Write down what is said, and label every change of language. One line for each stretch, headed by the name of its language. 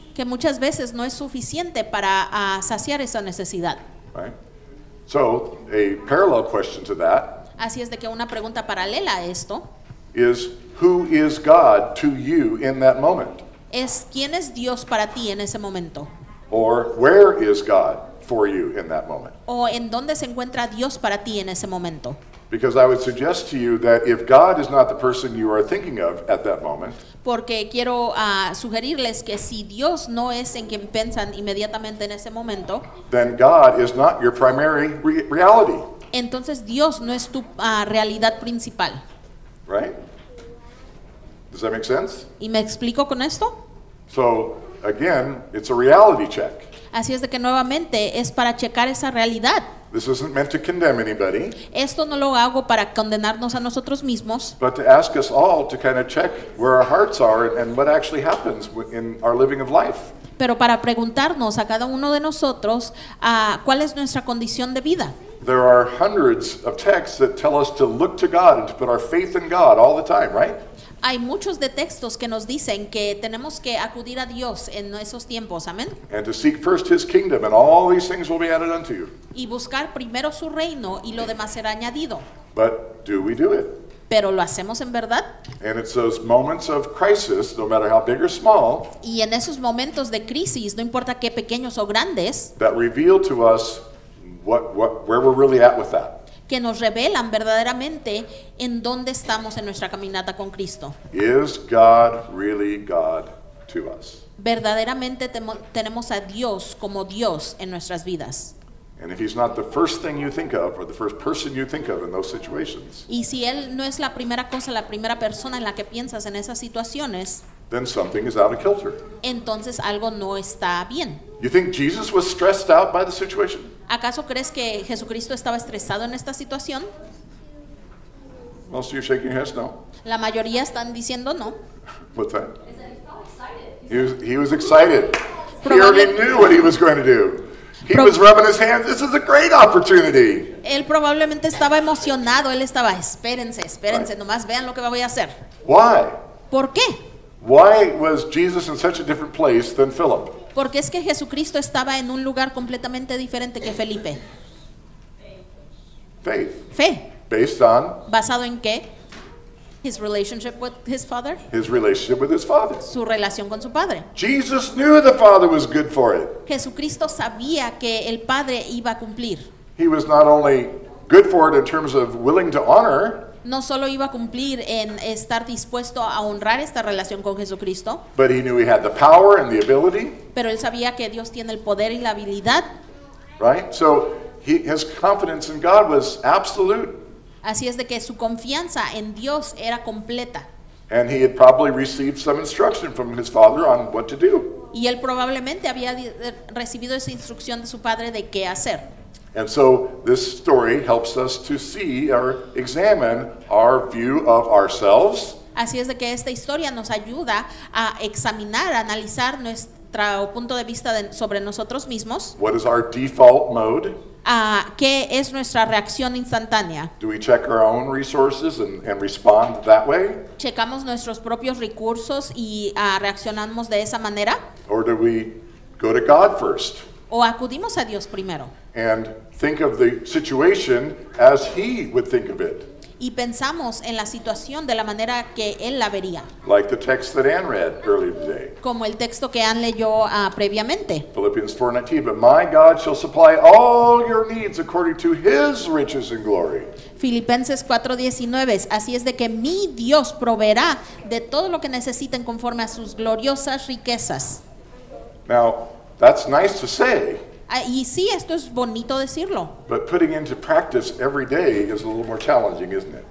Spanish: Que muchas veces no es suficiente para saciar esa necesidad.
English: Right. So, a parallel question to that.
Spanish: Así es de que una pregunta paralela a esto.
English: Is who is God to you in that moment?
Spanish: Es quién es Dios para ti en ese momento.
English: Or where is God for you in that moment?
Spanish: O en dónde se encuentra Dios para ti en ese momento.
English: Because I would suggest to you that if God is not the person you are thinking of at that moment.
Spanish: Porque quiero sugerirles que si Dios no es en quien piensan inmediatamente en ese momento.
English: Then God is not your primary reality.
Spanish: Entonces Dios no es tu realidad principal.
English: Right? Does that make sense?
Spanish: ¿Y me explico con esto?
English: So, again, it's a reality check.
Spanish: Así es de que nuevamente es para checar esa realidad.
English: This isn't meant to condemn anybody.
Spanish: Esto no lo hago para condenarnos a nosotros mismos.
English: But to ask us all to kind of check where our hearts are and what actually happens in our living of life.
Spanish: Pero para preguntarnos a cada uno de nosotros cuál es nuestra condición de vida.
English: There are hundreds of texts that tell us to look to God and to put our faith in God all the time, right?
Spanish: Hay muchos de textos que nos dicen que tenemos que acudir a Dios en esos tiempos, amén.
English: And to seek first his kingdom and all these things will be added unto you.
Spanish: Y buscar primero su reino y lo demás será añadido.
English: But do we do it?
Spanish: Pero lo hacemos en verdad.
English: And it's those moments of crisis, no matter how big or small.
Spanish: Y en esos momentos de crisis, no importa qué pequeños o grandes.
English: That reveal to us where we're really at with that.
Spanish: Que nos revelan verdaderamente en dónde estamos en nuestra caminata con Cristo.
English: Is God really God to us?
Spanish: Verdaderamente tenemos a Dios como Dios en nuestras vidas.
English: And if he's not the first thing you think of or the first person you think of in those situations.
Spanish: Y si él no es la primera cosa, la primera persona en la que piensas en esas situaciones.
English: Then something is out of kilter.
Spanish: Entonces algo no está bien.
English: You think Jesus was stressed out by the situation?
Spanish: ¿Acaso crees que Jesucristo estaba estresado en esta situación?
English: Most of you shaking your heads, no.
Spanish: La mayoría están diciendo no.
English: What's that? He was excited. He already knew what he was going to do. He was rubbing his hands. This is a great opportunity.
Spanish: Él probablemente estaba emocionado. Él estaba, espérense, right. Nomás vean lo que voy a hacer.
English: Why?
Spanish: ¿Por qué?
English: Why was Jesus in such a different place than Philip?
Spanish: Porque es que Jesucristo estaba en un lugar completamente diferente que Felipe.
English: Faith.
Spanish: Fe.
English: Based on.
Spanish: ¿Basado en qué?
English: His relationship with his father. His relationship with his father.
Spanish: Su relación con su padre.
English: Jesus knew the father was good for it.
Spanish: Jesucristo sabía que el padre iba a cumplir.
English: He was not only good for it in terms of willing to honor.
Spanish: No solo iba a cumplir en estar dispuesto a honrar esta relación con Jesucristo.
English: But he knew he had the power and the ability.
Spanish: Pero él sabía que Dios tiene el poder y la habilidad.
English: Right? So his confidence in God was absolute.
Spanish: Así es de que su confianza en Dios era completa.
English: And he had probably received some instruction from his father on what to do.
Spanish: Y él probablemente había recibido esa instrucción de su padre de qué hacer.
English: And so this story helps us to see or examine our view of ourselves.
Spanish: Así es de que esta historia nos ayuda a examinar, a analizar nuestro punto de vista sobre nosotros mismos.
English: What is our default mode?
Spanish: ¿Qué es nuestra reacción instantánea?
English: Do we check our own resources and respond that way?
Spanish: ¿Checamos nuestros propios recursos y reaccionamos de esa manera?
English: Or do we go to God first?
Spanish: ¿O acudimos a Dios primero?
English: And think of the situation as he would think of it.
Spanish: Y pensamos en la situación de la manera que él la vería.
English: Like the text that Ann read earlier today.
Spanish: Como el texto que Ann leyó previamente.
English: Philippians 4:19, but my God shall supply all your needs according to his riches and glory.
Spanish: Filipenses 4:19, así es de que mi Dios proveerá de todo lo que necesiten conforme a sus gloriosas riquezas.
English: Now, that's nice to say.
Spanish: Y sí, esto es bonito decirlo.
English: But putting into practice every day is a little more challenging, isn't it?